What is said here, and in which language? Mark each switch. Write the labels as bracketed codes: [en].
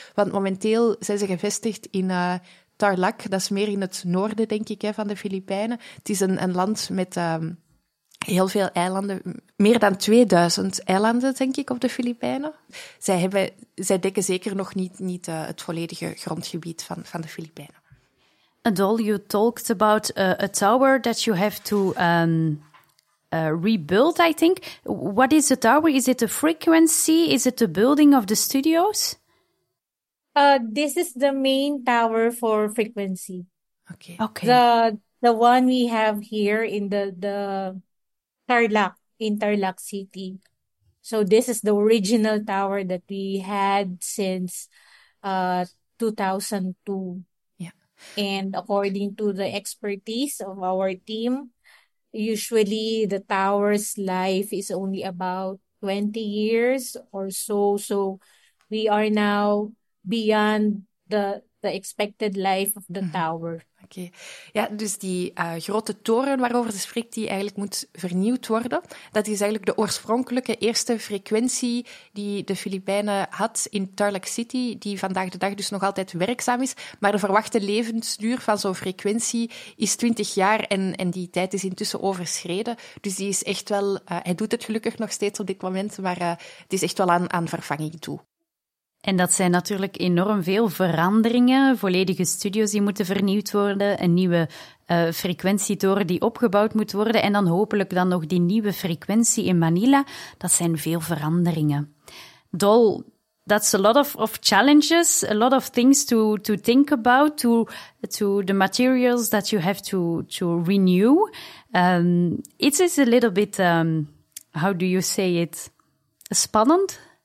[nl] Want momenteel zijn ze gevestigd in Tarlac, dat is meer in het noorden, denk ik, hè, van de Filipijnen. Het is een land met heel veel eilanden, meer dan 2000 eilanden, denk ik, op de Filipijnen. Zij dekken zeker nog niet het volledige grondgebied van de Filipijnen. [en] Adol, you talked about a tower that you have to rebuild, I think. What is the tower? Is it a frequency? Is it the building of the studios? This is the main tower for frequency. Okay. The one we have here in the Tarlac, in Tarlac City. So this is the original tower that we had since 2002. Yeah. And according to the expertise of our team, usually the tower's life is only about 20 years or so. So we are now beyond The expected life of the tower. Oké. Okay. [nl] Ja, dus die grote toren waarover ze spreekt, die eigenlijk moet vernieuwd worden. Dat is eigenlijk de oorspronkelijke eerste frequentie die de Filipijnen had in Tarlac City, die vandaag de dag dus nog altijd werkzaam is. Maar de verwachte levensduur van zo'n frequentie is 20 jaar, en die tijd is intussen overschreden. Dus die is echt wel... hij doet het gelukkig nog steeds op dit moment, maar het is echt wel aan vervanging toe. En dat zijn natuurlijk enorm veel veranderingen, volledige studio's die moeten vernieuwd worden, een nieuwe frequentietoren die opgebouwd moet worden en dan hopelijk dan nog die nieuwe frequentie in Manila. Dat zijn veel veranderingen. [en] Dol, that's a lot of challenges, a lot of things to think about, to the materials that you have to renew. It is a little bit, how do you say it, spannend?